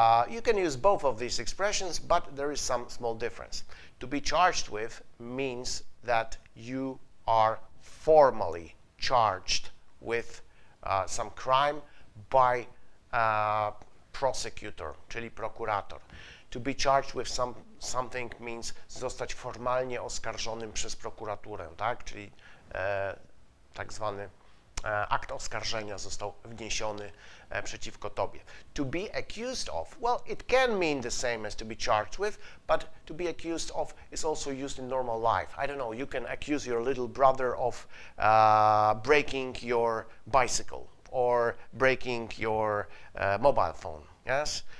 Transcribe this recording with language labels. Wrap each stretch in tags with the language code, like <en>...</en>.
<en>You can use both of these expressions, but there is some small difference. To be charged with means that you are formally charged with some crime by a prosecutor, czyli prokurator. To be charged with something means</en> <pl>zostać formalnie oskarżonym przez prokuraturę, tak? Czyli tak zwany akt oskarżenia został wniesiony przeciwko tobie.</pl> <en>To be accused of, well, it can mean the same as to be charged with, but to be accused of is also used in normal life. I don't know, you can accuse your little brother of breaking your bicycle or breaking your mobile phone, yes?</en>